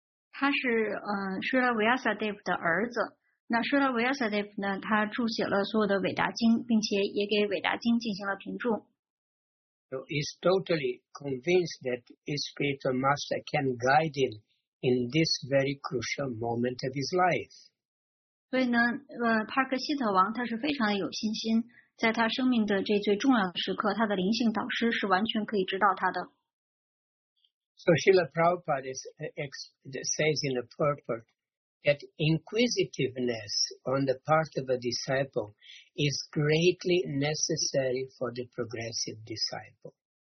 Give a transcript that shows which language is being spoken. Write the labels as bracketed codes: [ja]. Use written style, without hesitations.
[zh] 他是Srila Vyasadeva 的儿子。那 Srila Vyasadeva 呢，他注写了所有的伟达经，并且也给伟达经进行了评注。 [en] So he's totally convinced that his spiritual master can guide him in this very crucial moment of his life. [zh] 所以呢，帕克希特王他是非常有信心，在他生命的这最重要的时刻，他的灵性导师是完全可以指导他的。 [en] So Srila Prabhupada says in the purport that inquisitiveness on the part of a disciple is greatly necessary for the progressive disciple.